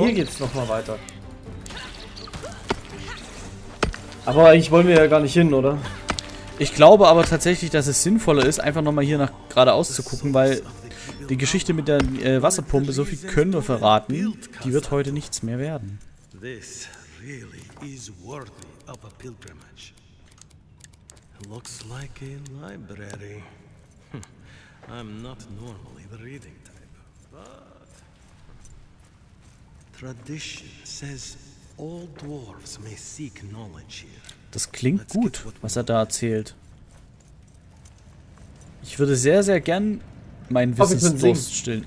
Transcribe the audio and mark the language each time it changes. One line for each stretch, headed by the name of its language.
German: Hier geht's nochmal weiter. Aber eigentlich wollen wir ja gar nicht hin, oder? Ich glaube aber tatsächlich, dass es sinnvoller ist, einfach nochmal hier nach geradeaus zu gucken, weil die Geschichte mit der Wasserpumpe, so viel können wir verraten, die wird heute nichts mehr werden.
English: This really is worthy of a pilgrimage. Looks like a library. I'm not normally the reading type, but tradition says all dwarves may seek knowledge here.
German: Das klingt gut, was er da erzählt. Ich würde sehr, sehr gern meinen Wissensdurst stillen.